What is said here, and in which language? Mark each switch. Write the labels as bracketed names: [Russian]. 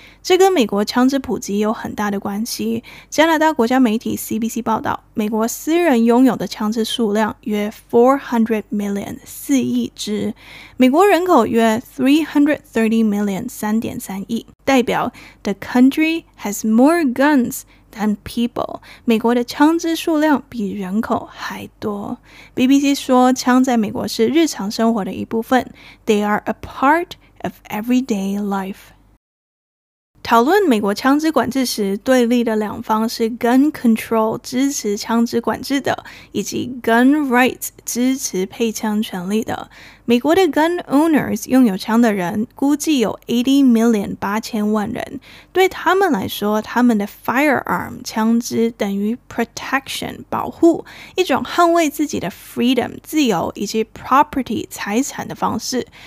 [Chinese] 这跟美国枪支普及有很大的关系。加拿大国家媒体 CBC 报道，美国私人拥有的枪支数量约 400 million 4亿支，美国人口约 330 million 3.3 亿，代表 [English] The country has more gunsThan people， [Chinese] 美国的枪支数量比人口还多。 BBC 说，枪在美国是日常生活的一部分， [English] They are a part of everyday life。 [Chinese] 讨论美国枪支管制时，对立的两方是 gun control 支持枪支管制的，以及 gun rights 支持配枪权利的。美国的 gun owners 拥有枪的人估计有 80 million 八千万人，对他们来说，他们的 firearm 枪支等于 protection 保护，一种捍卫自己的 freedom 自由以及 property 财产的方式。